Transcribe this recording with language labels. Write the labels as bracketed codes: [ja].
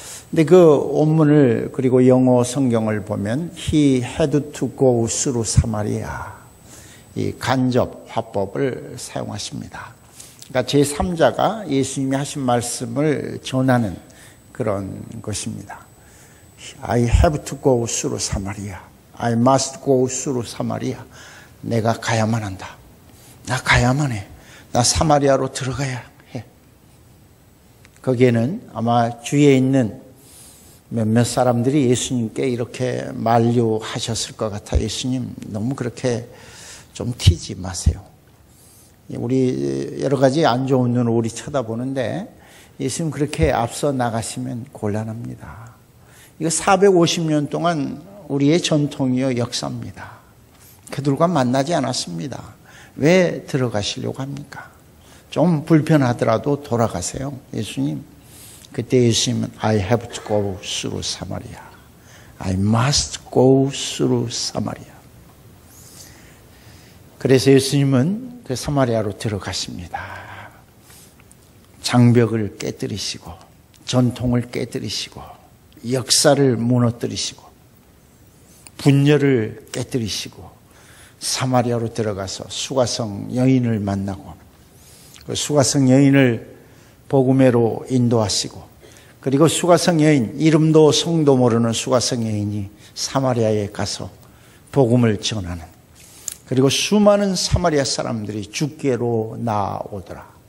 [ko] 근데 그 원문을 그리고 영어 성경을 보면 [en] He had to go through Samaria. [ko] 이 간접 화법을 사용하십니다. 그러니까 제3자가 예수님이 하신 말씀을 전하는 그런 것입니다. [en] I have to go through Samaria. I must go through Samaria. [ko] 내가 가야만 한다. 나 가야만 해. 나 사마리아로 들어가야 해. 거기에는 아마 주위에 있는 몇몇 사람들이 예수님께 이렇게 만류하셨을 것 같아. 예수님 너무 그렇게 좀 튀지 마세요. 우리 여러 가지 안 좋은 눈으로 우리 쳐다보는데 예수님 그렇게 앞서 나가시면 곤란합니다. 이거 450년 동안 우리의 전통이요 역사입니다. 그들과 만나지 않았습니다. 왜 들어가시려고 합니까? 좀 불편하더라도 돌아가세요. 예수님. 그때 예수님은 [en] I have to go through Samaria. I must go through Samaria. [ko] 그래서 예수님은 그 사마리아로 들어가십니다. 장벽을 깨뜨리시고 전통을 깨뜨리시고 역사를 무너뜨리시고 분열을 깨뜨리시고 사마리아로 들어가서 수가성 여인을 만나고 그 수가성 여인을 복음회로 인도하시고 그리고 수가성 여인, 이름도 성도 모르는 수가성 여인이 사마리아에 가서 복음을 전하는 그리고 수많은 사마리아 사람들이 주께로 나오더라.